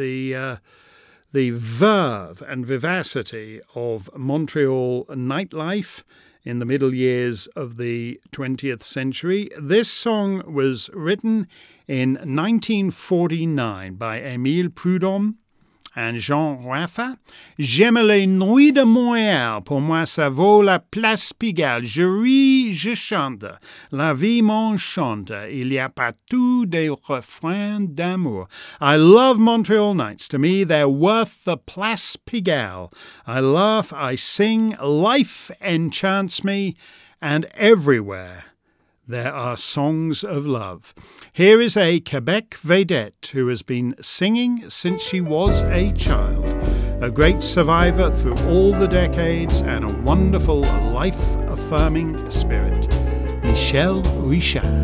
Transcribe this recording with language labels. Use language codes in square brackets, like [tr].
[en] The verve and vivacity of Montreal nightlife in the middle years of the 20th century. This song was written in 1949 by Émile Prudhomme and Jean Raffa. [fr] J'aime les nuits de Montréal, pour moi ça vaut la place Pigalle. Je ris, je chante, la vie m'enchante, il y a partout des refrains d'amour. [en] I love Montreal nights, to me they're worth the place Pigalle. I laugh, I sing, life enchants me, and everywhere there are songs of love. Here is a Quebec vedette who has been singing since she was a child, a great survivor through all the decades, and a wonderful life-affirming spirit, Michel Richard.